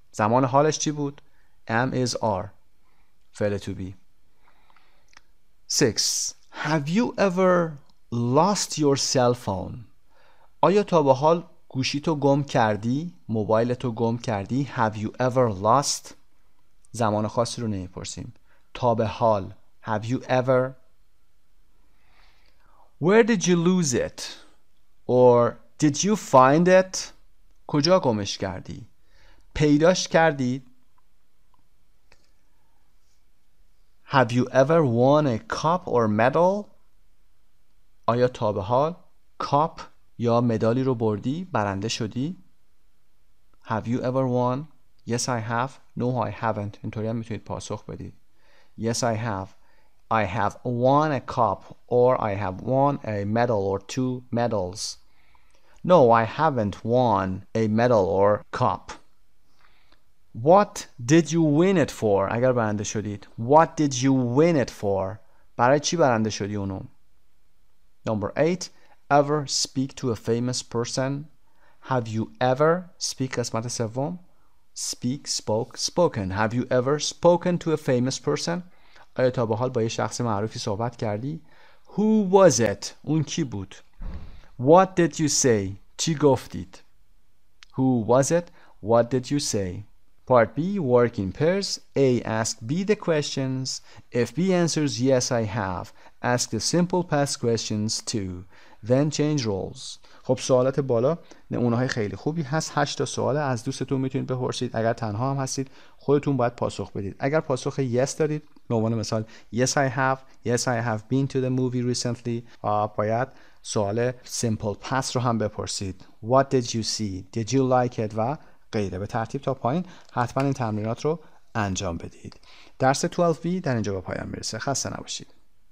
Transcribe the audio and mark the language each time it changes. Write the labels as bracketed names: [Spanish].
[Persian] زمان حالش چی بود؟ Am is are. فعل to be. 6. [English] Have you ever lost your cell phone؟ [Persian] آیا تا به حال گوشیتو گم کردی؟ موبایلتو گم کردی؟ Have you ever lost؟ زمان خاصی رو نمیپرسیم. تا به حال. [English] Have you ever؟ Where did you lose it? Or did you find it? [Persian] کجا گمش کردی؟ پیداش کردی؟ [English] Have you ever won a cup or medal? [Persian] آیا تا به حال کاپ یا مدالی رو بردی؟ برنده شدی؟ [English] Have you ever won? Yes, I have. No, I haven't. [Persian] اینطوری هم میتونید پاسخ بدید. [English] Yes, I have. I have won a cup or I have won a medal or two medals. No, I haven't won a medal or cup. What did you win it for? [Persian] اگر برنده شدید. [English] What did you win it for? [Persian] برای چی برنده شدی اونو؟ [English] Number 8. Ever speak to a famous person? Have you ever speak [Persian] قسمت سوم [English] speak spoke spoken have you ever spoken to a famous person? [Persian] آیا تا به حال با یه شخص معروفی صحبت کردی؟ [English] Who was it? [Persian] اون کی بود؟ [English] What did you say? [Persian] چی گفتید؟ [English] Who was it? What did you say? Part B, work in pairs. A, ask B the questions. If B answers yes, I have, ask the simple past questions too. Then change roles. [Persian] خب سوالات بالا نمونه های خیلی خوبی هست. 8 تا سوال از دوستتون میتونید بپرسید. اگر تنها هم هستید خودتون باید پاسخ بدید. اگر پاسخ yes دارید، به عنوان مثال [English] yes I have، yes I have been to the movie recently، [Persian] باید سوال simple past رو هم بپرسید. [English] What did you see؟ Did you like it؟ [Persian] و غیره. به ترتیب تا پایین حتما این تمرینات رو انجام بدید. درس 12B در اینجا به پایان میرسه. خسته نباشید.